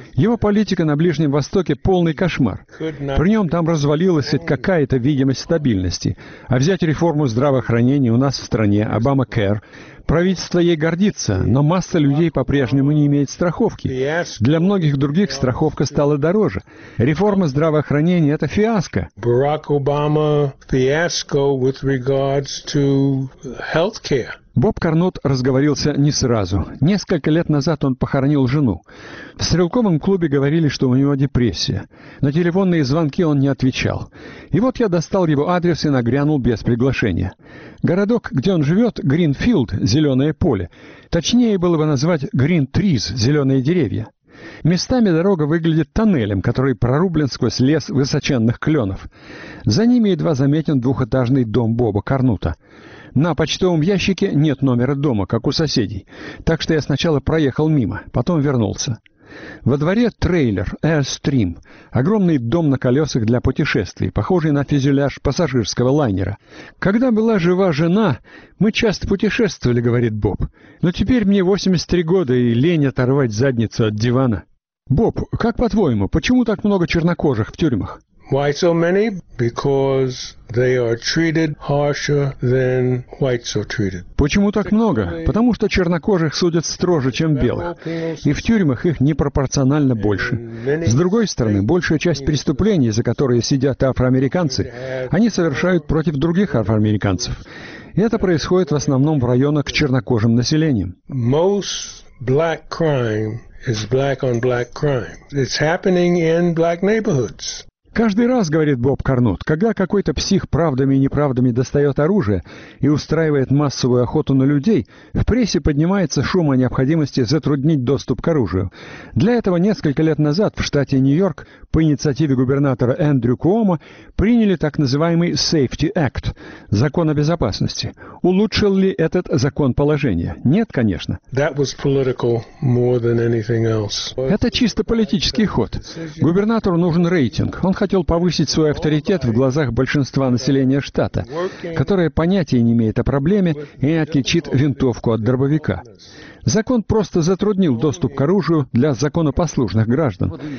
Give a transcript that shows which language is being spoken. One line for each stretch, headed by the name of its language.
Russian: Его политика на Ближнем Востоке — полный кошмар. При нем там развалилась хоть какая-то видимость стабильности. А взять реформу здравоохранения у нас в стране — Обама-кэр. Правительство ей гордится, но масса людей по-прежнему не имеет страховки. Для многих других страховка стала дороже. Реформа здравоохранения — это фиаско. Барак Обама — фиаско
English: with regards to healthcare.
Russian: Боб Карнот разговорился не сразу. Несколько лет назад он похоронил жену. В стрелковом клубе говорили, что у него депрессия. На телефонные звонки он не отвечал. И вот я достал его адрес и нагрянул без приглашения. Городок, где он живет, Гринфилд, зеленое поле. Точнее было бы назвать Green Trees, зеленые деревья. Местами дорога выглядит тоннелем, который прорублен сквозь лес высоченных кленов. За ними едва заметен двухэтажный дом Боба Карнута. На почтовом ящике нет номера дома, как у соседей. Так что я сначала проехал мимо, потом вернулся. Во дворе трейлер Airstream. Огромный дом на колесах для путешествий, похожий на фюзеляж пассажирского лайнера. «Когда была жива жена, мы часто путешествовали», — говорит Боб. «Но теперь мне 83 года, и лень оторвать задницу от дивана». Боб, как по-твоему, почему так много чернокожих в тюрьмах?
English: Why so many? Because they are treated harsher than whites are treated.
Russian: Почему так много? Потому что чернокожих судят строже, чем белых. И в тюрьмах их непропорционально больше. С другой стороны, большая часть преступлений, за которые сидят афроамериканцы, они совершают против других афроамериканцев. И это происходит в основном в районах с чернокожим населением.
English: Most black crime is black on black crime. It's happening in black neighborhoods.
Russian: Каждый раз, говорит Боб Карнут, когда какой-то псих правдами и неправдами достает оружие и устраивает массовую охоту на людей, в прессе поднимается шум о необходимости затруднить доступ к оружию. Для этого несколько лет назад в штате Нью-Йорк по инициативе губернатора Эндрю Куомо приняли так называемый Safety Act – закон о безопасности. Улучшил ли этот закон положение? Нет, конечно.
English: That was political more than anything else.
Russian: Это чисто политический ход. Губернатору нужен рейтинг. Он хотел повысить свой авторитет в глазах большинства населения штата, которое понятия не имеет о проблеме и не отличит винтовку от дробовика. Закон просто затруднил доступ к оружию для законопослушных граждан.